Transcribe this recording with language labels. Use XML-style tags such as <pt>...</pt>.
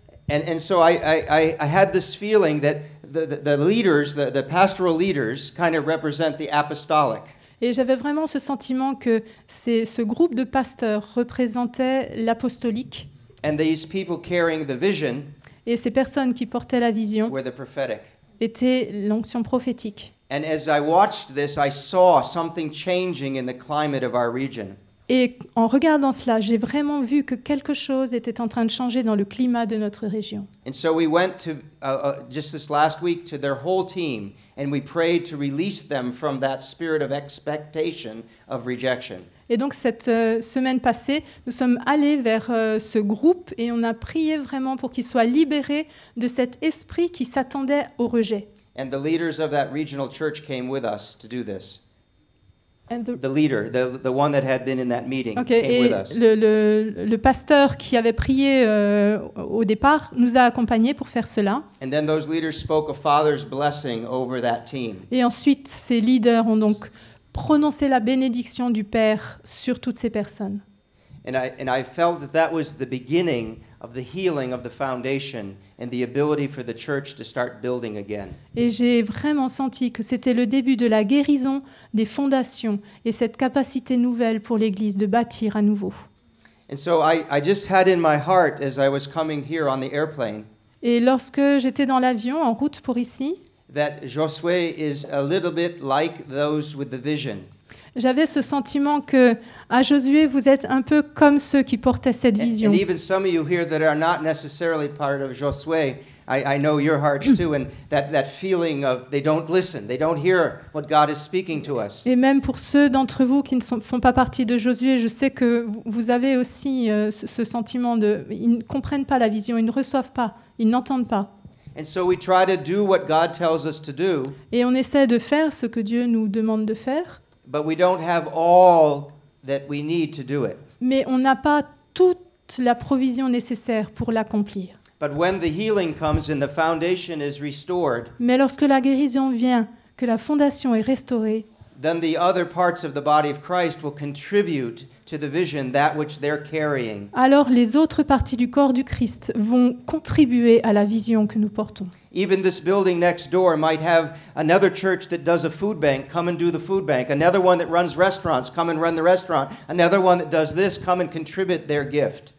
<en>And so I had this feeling that the leaders, the pastoral leaders, kind of represent the apostolic.</en> <fr>Et j'avais vraiment ce sentiment que ce groupe de pasteurs représentait l'apostolique.</fr> <en>And these people carrying the vision.</en> <fr>Et ces personnes qui portaient la vision.</fr> <en>Were the prophetic.</en> <fr>Était l'onction prophétique.</fr> <en>And as I watched this, I saw something changing in the climate of our region.</en> <fr>Et en regardant cela, j'ai vraiment vu que quelque chose était en train de changer dans le climat de notre région.</fr> <en>And so we went to just this last week to their whole team, and we prayed to release them from that spirit of expectation of rejection.</en> <fr>Et donc cette semaine passée, nous sommes allés vers ce groupe et on a prié vraiment pour qu'ils soient libérés de cet esprit qui s'attendait au rejet.</fr> <en>And the leaders of that regional church came with us to do this. And the leader, the one that had been in that meeting, okay, came with us.</en> <fr>Le pasteur qui avait prié au départ nous a accompagnés pour faire cela.</fr> <en>And then those leaders spoke a father's blessing over that team.</en> <fr>Et ensuite, ces leaders ont donc prononcer la bénédiction du Père sur toutes ces personnes.</fr> <en>And I felt that that was the beginning of the healing of the foundation and the ability for the church to start building again.</en> <fr>Et j'ai vraiment senti que c'était le début de la guérison des fondations et cette capacité nouvelle pour l'Église de bâtir à nouveau.</fr> <en>And so I just had in my heart as I was coming here on the airplane.</en> <fr>Et lorsque j'étais dans l'avion en route pour ici.</fr> <en>That Josué is a little bit like those with the vision.</en> <fr>J'avais ce sentiment que à Josué vous êtes un peu comme ceux qui portaient cette vision.</fr> <en>And even some of you here that are not necessarily part of Josué, I know your hearts too, and that feeling of they don't listen, they don't hear what God is speaking to us.</en> <fr>Et même pour ceux d'entre vous qui ne font pas partie de Josué, je sais que vous avez aussi ce sentiment de ils ne comprennent pas la vision, ils ne reçoivent pas, ils n'entendent pas.</fr> <en>And so we try to do what God tells us to do.</en> <fr>Et on essaie de faire ce que Dieu nous demande de faire.</fr> <en>But we don't have all that we need to do it.</en> <fr>Mais on n'a pas toute la provision nécessaire pour l'accomplir.</fr> <en>But when the healing comes and the foundation is restored.</en> <fr>Mais lorsque la guérison vient, que la fondation est restaurée.</fr> <en>Then the other parts of the body of Christ will contribute to the vision that which they're carrying.</en> <fr>Alors les autres parties du corps du Christ vont contribuer à la vision que nous portons.</fr> <en>Even this building next door might have another church that does a food bank, come and do the food bank. Another one that runs restaurants, come and run the restaurant. Another one that does this, come and contribute their gift.</en>